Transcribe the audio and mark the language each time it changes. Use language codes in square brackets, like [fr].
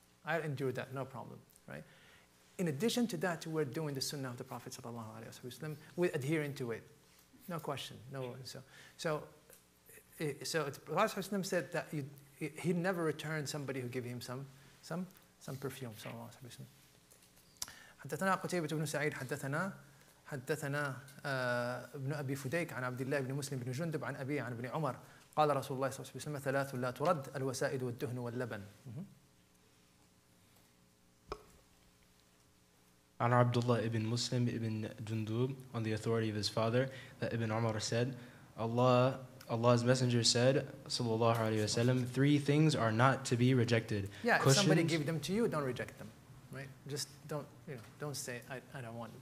[en] I'll endure that, no problem, right? In addition to that, we're doing the sunnah of the Prophet sallallahu alaihi wasallam. We're adhering to it. No question, no one. So the Prophet sallallahu alaihi wasallam said that he never returned somebody who gave him some perfume, sallallahu alaihi wasallam. [ar] حَدَّثَنَا قُتَيْبَةُ بْنُ سَعِيدٍ حدثنا ابن أبي فديك عن عبد الله بن مسلم بن جندب عن أبي عن ابن عمر قال رسول الله صلى الله عليه وسلم ثلاث لا ترد الوسائد والدهن واللبن. [en] عن عبد الله بن مسلم بن جندب on the authority of his father that Ibn Umar said Allah's messenger said صلى الله عليه وسلم three things are not to be rejected. Yeah, cushions. If somebody gave them to you, don't reject them, right? Just don't, you know, don't say I don't want them.